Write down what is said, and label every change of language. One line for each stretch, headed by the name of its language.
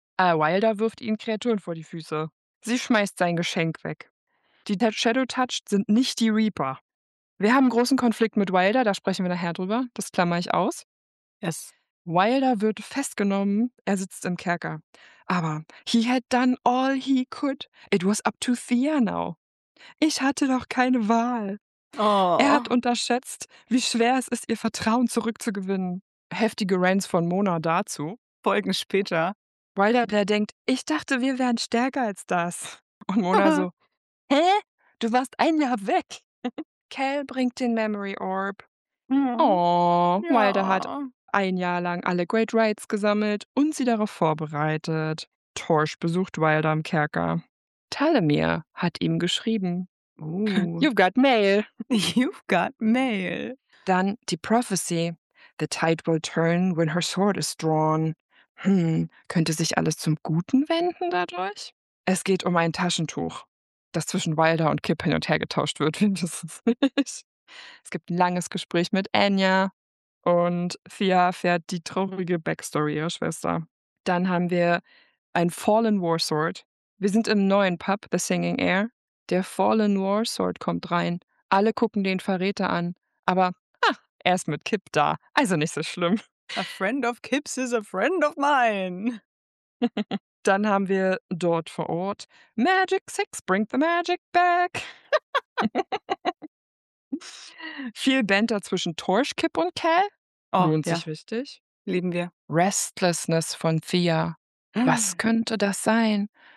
German: Wilder wirft ihnen Kreaturen vor die Füße. Sie schmeißt sein Geschenk weg. Die Dead Shadow Touched sind nicht die Reaper. Wir haben einen großen Konflikt mit Wilder, da sprechen wir nachher drüber. Das klammer ich aus.
English: Yes.
German: Wilder wird festgenommen, er sitzt im Kerker. Aber
English: he had done all he could. It was up to Thea now.
German: Ich hatte doch keine Wahl. Oh. Er hat unterschätzt, wie schwer es ist, ihr Vertrauen zurückzugewinnen. Heftige Rants von Mona dazu. Folgen später. Wilder, der denkt, ich dachte, wir wären stärker als das. Und Mona so, hä? Du warst ein Jahr weg. Kel bringt den Memory Orb. Ja. Oh, Wilder hat ein Jahr lang alle Great Rites gesammelt und sie darauf vorbereitet. Torsch besucht Wilder im Kerker. Talamir hat ihm geschrieben.
English: You've got mail. You've got mail.
German: Dann die Prophecy.
English: The tide will turn when her sword is drawn.
German: Könnte sich alles zum Guten wenden dadurch? Es geht um ein Taschentuch, das zwischen Wilder und Kip hin und her getauscht wird, finde ich es nicht. Es gibt ein langes Gespräch mit Anya und Thea fährt die traurige Backstory ihrer Schwester. Dann haben wir ein Fallen War Sword. Wir sind im neuen Pub, The Singing Air. Der Fallen War Sword kommt rein. Alle gucken den Verräter an, aber er ist mit Kip da, also nicht so schlimm.
English: A friend of Kip's is a friend of mine.
German: Dann haben wir dort vor Ort Magic Six,
English: bring the magic back.
German: Viel Banter zwischen Torsch, Kip und Kel. Oh, lohnt sich ja. Richtig. Lieben wir. Restlessness von Thea. Was könnte das sein?